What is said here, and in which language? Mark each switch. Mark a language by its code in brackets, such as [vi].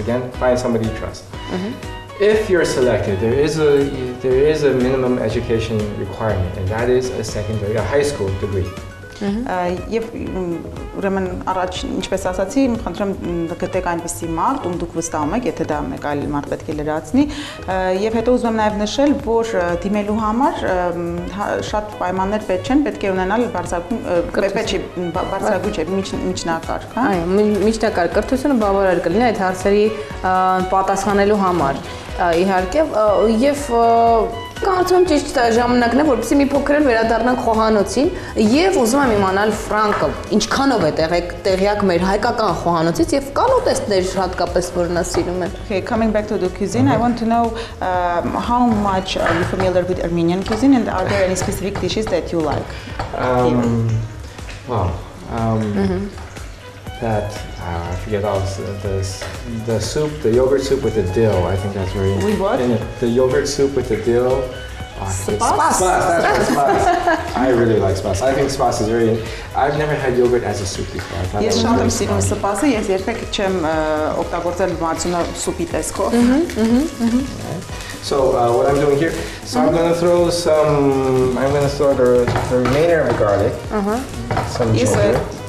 [en] Again, find somebody you trust. If you're selected, there is a minimum education requirement, and that is a high school degree. [hy] Եվ ուրեմն առաջ ինչպես ասացի, խնդրեմ գտեք այնպեսի մարդ, ում դուք վստահում եք, եթե դա մեկ այլ մարդ պետք է լրացնի, եւ հետո ուզում եմ նաեւ նշել, որ դիմելու համար շատ պայմաններ պետք չեն, պետք է ունենալ բարձրագույն միջնակարգ, հա։ Այո, միջնակարգ կրթությունը բավարար կլինի այդ հարցերի պատասխանելու համար։ Իհարկե, եւ կարծում ճիշտ ժամանակն է, որպեսզի մի փոքր վերադառնանք խոհանոցին եւ ուզում եմ իմանալ Ֆրանկը, ինչքանով է տեղյակ մեր հայկական խոհանոցից եւ կան օտեստներ հատկապես որ նա սիրում է։ [en] Okay, coming back to the cuisine, I want to know how much are you familiar with Armenian cuisine and are there any specific dishes that you like? I forget all the soup, the yogurt soup with the dill. I think that's very interesting. What? The yogurt soup with the dill. Spas. I really like spas. I think spas is very. I've never had yogurt as a soup before. [hy] Yes, շատ եմ սիրում սպասը. Ես երբեք չեմ օգտագործել մածունը սուպի տեսքով. [en] So what I'm doing here? So I'm gonna throw the remainder of the garlic. Some yogurt.